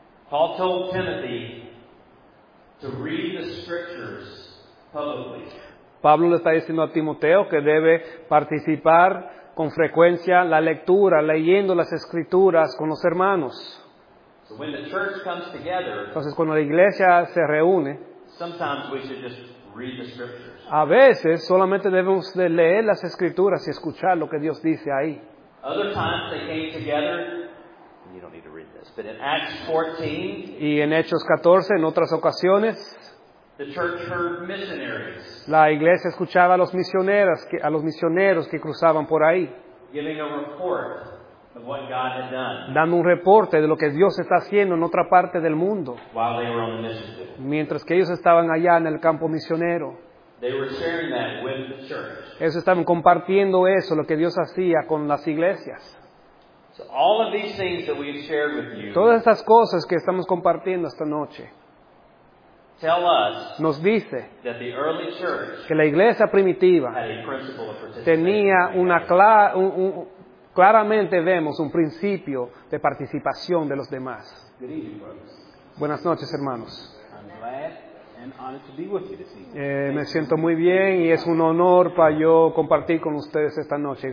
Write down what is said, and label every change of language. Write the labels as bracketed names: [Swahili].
[English] Paul told Timothy to read the Scriptures publicly. [Spanish] Pablo le está diciendo a Timoteo que debe participar con frecuencia la lectura, leyendo las Escrituras con los hermanos. [English] So when the church comes together, [Spanish] entonces cuando la iglesia se reúne, [English] sometimes we should just read the Scriptures. [Spanish] A veces solamente debemos de leer las Escrituras y escuchar lo que Dios dice ahí. [English] Other times they came together, you don't need to read this, but in Acts 14, [Spanish] y en Hechos 14, en otras ocasiones, [English] the church heard missionaries, [Spanish] la iglesia escuchaba a los misioneros que cruzaban por ahí, [English] giving a report of what God had done, [Spanish] dando un reporte de lo que Dios está haciendo en otra parte del mundo, [English] while they were on the mission field. [Spanish] Mientras que ellos estaban allá en el campo misionero. [English] They were sharing that with the church. [Spanish] Ellos estaban compartiendo eso, lo que Dios hacía con las iglesias. [English] So all of these things that we've shared with you, [Spanish] todas estas cosas que estamos compartiendo esta noche, [English] tell us, [Spanish] nos dice [English] that the early church, [Spanish] que la iglesia primitiva [English] had a principle of participation, [Spanish] tenía una claramente vemos un principio de participación de los demás. [English] Good evening, brothers. [Spanish] Buenas noches, hermanos. [English] And honored to be with you this evening. [Spanish] Me siento muy bien y es un honor para yo compartir con ustedes esta noche.